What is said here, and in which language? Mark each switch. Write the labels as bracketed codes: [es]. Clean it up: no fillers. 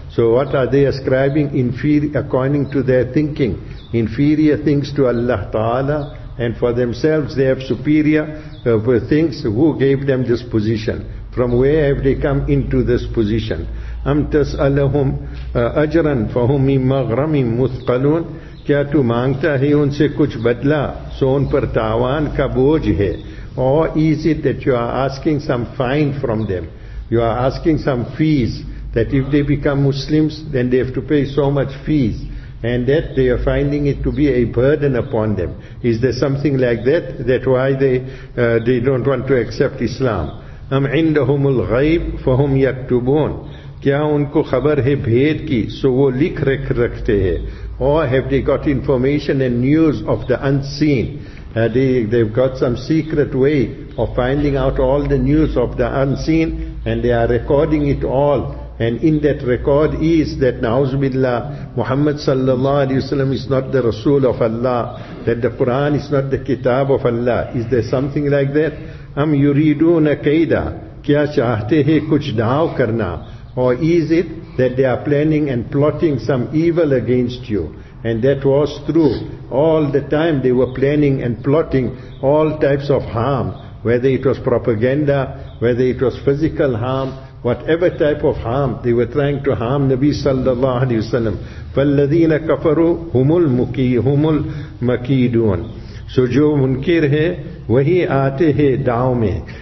[en] So what are they ascribing? Inferior, according to their thinking, inferior things to Allah Ta'ala, and for themselves they have superior things. Who gave them this position? From where have they come into this position? [ar] أَمْ تَسْأَلَهُمْ أَجْرًا فَهُمْ مِنْ مَغْرَمٍ مُثْقَلُونَ. [ur] کیا تو مانگتا ہے ان سے کچھ بدلہ, سو ان پر تاوان کا بوجھ ہے. [en] Or is it that you are asking some fine from them? You are asking some fees, that if they become Muslims, then they have to pay so much fees, and that they are finding it to be a burden upon them. Is there something like that, that why they don't want to accept Islam? [ar] أَمْ عِنْدَهُمُ الْغَيْبِ فَهُمْ يَكْتُبُونَ. [ur] کیا ان کو خبر ہے بھید کی, سو وہ لکھ رکھتے ہیں. [en] Or have they got information and news of the unseen? They've got some secret way of finding out all the news of the unseen, and they are recording it all. And in that record is that, na'uz billah, Muhammad sallallahu alayhi wa sallam is not the Rasul of Allah, that the Quran is not the Kitab of Allah. Is there something like that? [ar] Am yuriduna kaida, [ur] kya chahte hai kuch daav karna? [en] Or is it that they are planning and plotting some evil against you? And that was true. All the time they were planning and plotting all types of harm, whether it was propaganda, whether it was physical harm, whatever type of harm, they were trying to harm Nabi sallallahu alayhi wa sallam. [ar] فَالَّذِينَ كَفَرُوا هُمُ الْمَكِيدُونَ. [ur] So جو منکر ہے وہی آتے ہیں دعو میں.